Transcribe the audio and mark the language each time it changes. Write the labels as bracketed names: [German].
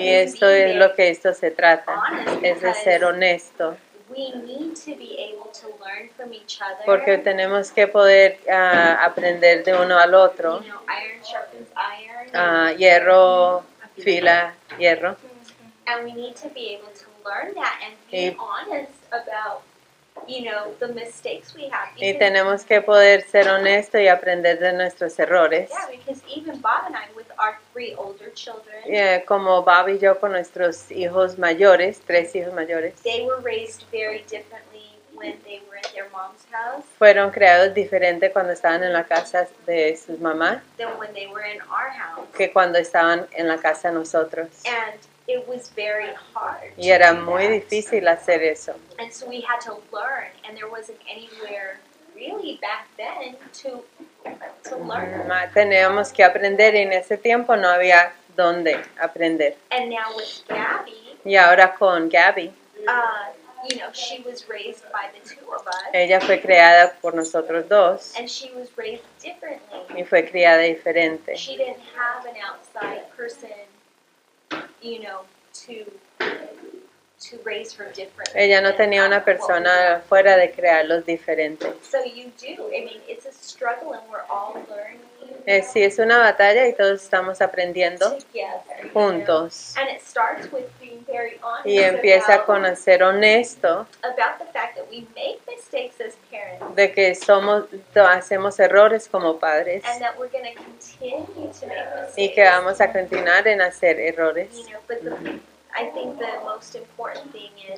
[Spanish] Y esto es lo que esto se trata. [English] Honest, [Spanish] es de ser honesto. [English] We need to be able to learn from each other. [Spanish] Porque tenemos que poder aprender de uno al otro. [English] You know, iron sharpens iron. [Spanish] Hierro fila hierro. [English] And we need to be able to learn that and be honest about, you know, the mistakes we have. [Spanish] Y tenemos que poder ser honesto y aprender de nuestros errores. [English] Yeah, because even Bob and I, with our three older children. [Spanish] Yeah, como Bob y yo con nuestros hijos mayores, tres hijos mayores. [English] They were raised very differently when they were in their mom's house. [Spanish] Fueron creados diferente cuando estaban en la casa de sus mamás. [English] Than when they were in our house. [Spanish] Que cuando estaban en la casa de nosotros. [English] And it was very hard. [Spanish] Y era muy difícil hacer eso. [English] And so we had to learn, and there wasn't anywhere really back then to learn. [Spanish] Teníamos que aprender, y en ese tiempo no había dónde aprender. [English] And now with Gabby. [Spanish] Y ahora con Gabby. [English] You know, she was raised by the two of us. [Spanish] Ella fue creada por nosotros dos. [English] And she was raised differently. [Spanish] Y fue criada diferente. [English] She didn't have an outside person, you know, to raise her differently. [Spanish] Ella no tenía una persona fuera de crearlos diferentes. [English] So you do. I mean, it's a struggle and we're all learning. [Spanish] Sí, es una batalla y todos estamos aprendiendo [English] together, [Spanish] juntos. [English] You know? And it starts with being very honest. [Spanish] Y empieza con ser honesto. [English] About the fact that we make mistakes as parents. [Spanish] De que hacemos errores como padres. [English] And that we're going to continue to make mistakes. [Spanish] Y que vamos a continuar en hacer errores. [English] You know, I think the most important thing is.